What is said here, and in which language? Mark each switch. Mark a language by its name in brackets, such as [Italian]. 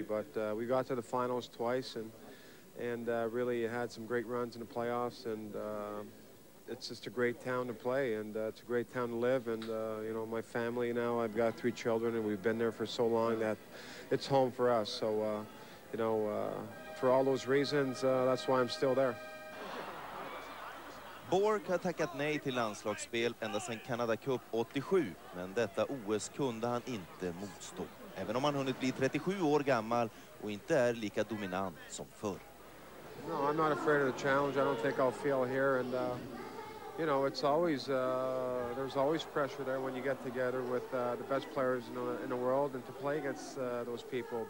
[English] But we got to the finals twice, and really had some great runs in the playoffs. And it's just a great town to play, and it's a great town to live. And you know, my family now, I've got three children, and we've been there for so long that it's home for us. So, you know, for all those reasons, that's why I'm still there. [Swedish] Bork har tackat nej till landslagsspel ända sedan Canada Cup 87, men detta OS kunde han inte motstå. Även om han hunnit bli 37 år gammal och inte är lika dominant som förr. [English] No, I'm not afraid of the challenge. I don't think I'll fail here. And you know, it's always there's always pressure there when you get together with the best players in the world and to play against those people.